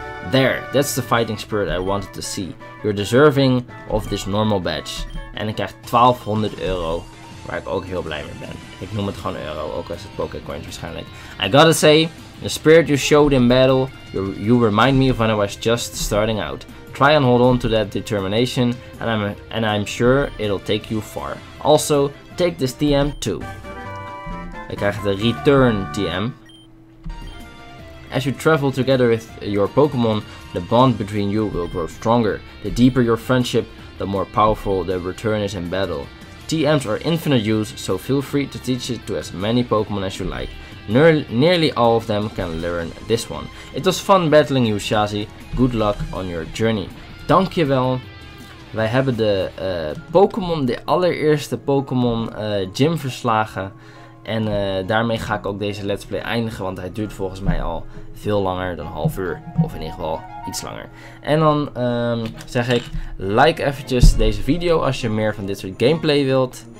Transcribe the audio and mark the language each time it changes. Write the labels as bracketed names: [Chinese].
[English] There, that's the fighting spirit I wanted to see. You're deserving of this normal badge. [Dutch] En ik krijg 1200 euro. Waar ik ook heel blij mee ben. Ik noem het gewoon euro, ook als het Pokécoins waarschijnlijk. [English] I gotta say, the spirit you showed in battle, you remind me of when I was just starting out. Try and hold on to that determination, and I'm sure it'll take you far. Also, take this TM too. [Dutch] Ik krijg de return TM. [English] As you travel together with your Pokémon, the bond between you will grow stronger. The deeper your friendship, the more powerful the return is in battle. TMs are infinite use, so feel free to teach it to as many Pokémon as you like. Nearly all of them can learn this one. It was fun battling you, Shazi. Good luck on your journey. [Dutch] Dankjewel. Wij hebben de Pokémon, de allereerste Pokémon gym verslagen. En daarmee ga ik ook deze Let's Play eindigen, want hij duurt volgens mij al veel langer dan half uur. Of in ieder geval iets langer. En dan zeg ik, like eventjes deze video als je meer van dit soort gameplay wilt.